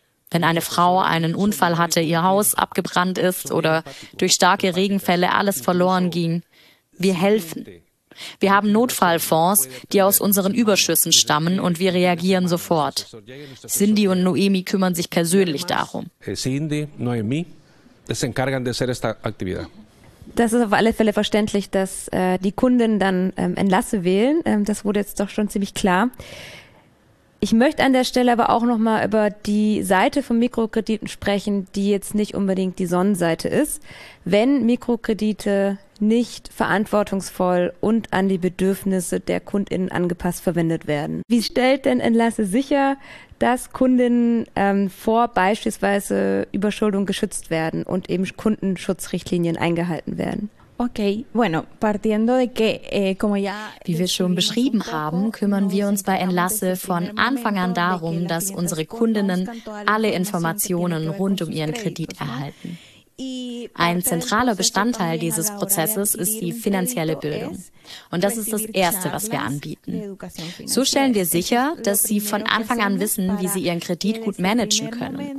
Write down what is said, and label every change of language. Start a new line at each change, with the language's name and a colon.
German: Wenn eine Frau einen Unfall hatte, ihr Haus abgebrannt ist oder durch starke Regenfälle alles verloren ging, wir helfen. Wir haben Notfallfonds, die aus unseren Überschüssen stammen, und wir reagieren sofort. Cindy und Noemi kümmern sich persönlich darum.
Spanish: Cindy, Noemi, se encargan de hacer esta actividad.
German: Das ist auf alle Fälle verständlich, dass die Kunden dann Enlace wählen. Das wurde jetzt doch schon ziemlich klar. Ich möchte an der Stelle aber auch nochmal über die Seite von Mikrokrediten sprechen, die jetzt nicht unbedingt die Sonnenseite ist. Wenn Mikrokredite nicht verantwortungsvoll und an die Bedürfnisse der KundInnen angepasst verwendet werden, wie stellt denn Enlace sicher, dass KundInnen vor beispielsweise Überschuldung geschützt werden und eben Kundenschutzrichtlinien eingehalten werden?
Spanish: Okay, bueno, partiendo de que, como ya
German: wie wir schon beschrieben haben, kümmern wir uns bei Enlace von Anfang an darum, dass unsere Kundinnen alle Informationen rund um ihren Kredit erhalten. Ein zentraler Bestandteil dieses Prozesses ist die finanzielle Bildung. Und das ist das Erste, was wir anbieten. So stellen wir sicher, dass Sie von Anfang an wissen, wie Sie Ihren Kredit gut managen können.